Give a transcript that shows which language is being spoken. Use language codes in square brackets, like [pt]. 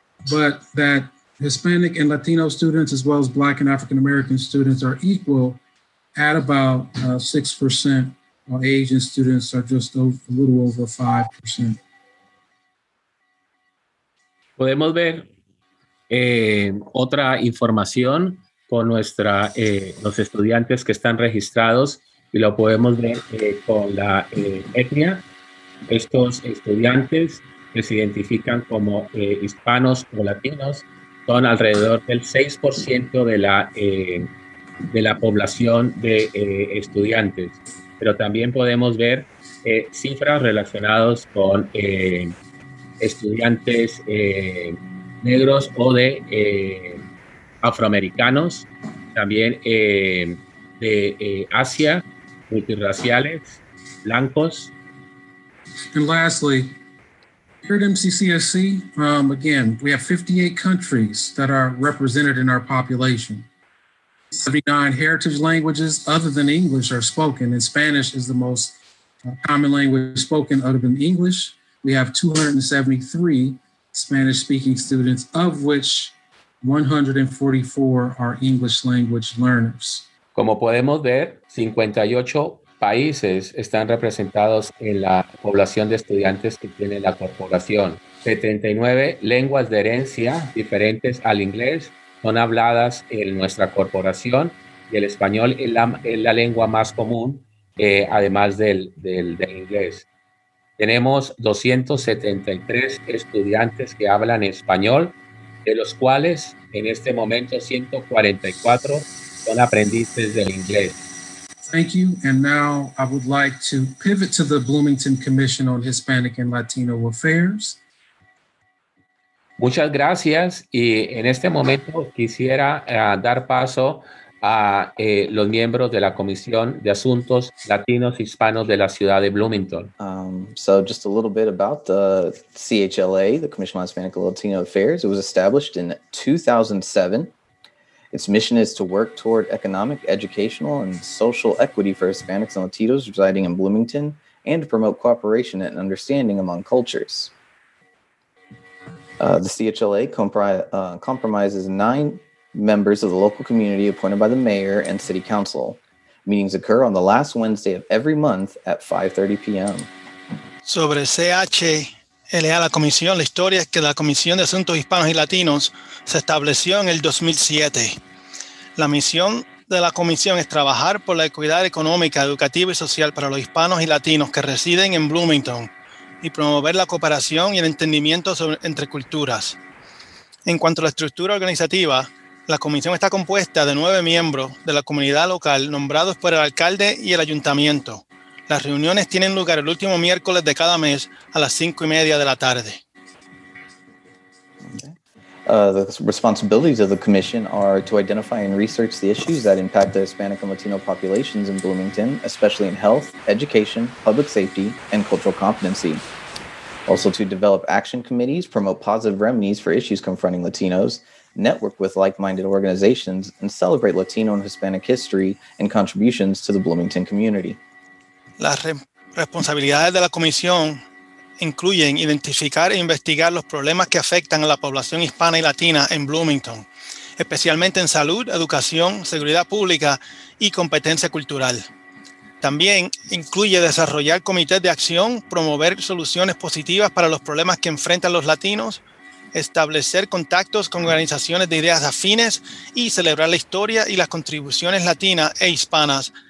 [en] But that Hispanic and Latino students, as well as Black and African American students, are equal at about 6%, while Asian students are just a little over 5%. [es] Podemos ver. Otra información con nuestra los estudiantes que están registrados y lo podemos ver con la etnia. Estos estudiantes que se identifican como hispanos o latinos son alrededor del 6% de la población de estudiantes. Pero también podemos ver cifras relacionadas con estudiantes negros o de afroamericanos, también de Asia, multiraciales, blancos. [en] And lastly, here at MCCSC, again, we have 58 countries that are represented in our population. 79 heritage languages other than English are spoken, and Spanish is the most common language spoken other than English. We have 273 Spanish-speaking students, of which 144 are English language learners. [es] Como podemos ver, 58 países están representados en la población de estudiantes que tiene la corporación. 79 lenguas de herencia diferentes al inglés son habladas en nuestra corporación, y el español es la lengua más común, además del inglés. Tenemos 273 estudiantes que hablan español, de los cuales en este momento 144 son aprendices del inglés. [en] Thank you. And now I would like to pivot to the Bloomington Commission on Hispanic and Latino Affairs. [es] Muchas gracias. Y en este momento quisiera dar paso a los miembros de la Comisión de Asuntos Latinos Hispanos de la Ciudad de Bloomington. [en] So just a little bit about the CHLA, the Commission on Hispanic and Latino Affairs. It was established in 2007. Its mission is to work toward economic, educational, and social equity for Hispanics and Latinos residing in Bloomington and to promote cooperation and understanding among cultures. The CHLA comprises nine members of the local community appointed by the mayor and city council. Meetings occur on the last Wednesday of every month at 5:30 p.m. [es] Sobre CHLA, la comisión, la historia es que la Comisión de Asuntos Hispanos y Latinos se estableció en el 2007. La misión de la comisión es trabajar por la equidad económica, educativa y social para los hispanos y latinos que residen en Bloomington y promover la cooperación y el entendimiento entre culturas. En cuanto a la estructura organizativa, la comisión está compuesta de nueve miembros de la comunidad local nombrados por el alcalde y el ayuntamiento. Las reuniones tienen lugar el último miércoles de cada mes a las 5:30 de la tarde. [en] Okay. The responsibilities of the commission are to identify and research the issues that impact the Hispanic and Latino populations in Bloomington, especially in health, education, public safety, and cultural competency. Also to develop action committees, promote positive remedies for issues confronting Latinos, network with like-minded organizations, and celebrate Latino and Hispanic history and contributions to the Bloomington community. [es] Las responsabilidades de la comisión incluyen identificar e investigar los problemas que afectan a la población hispana y latina en Bloomington, especialmente en salud, educación, seguridad pública y competencia cultural. También incluye desarrollar comités de acción, promover soluciones positivas para los problemas que enfrentan los latinos, establecer contactos con organizaciones de ideas afines y celebrar la historia y las contribuciones latinas e hispanas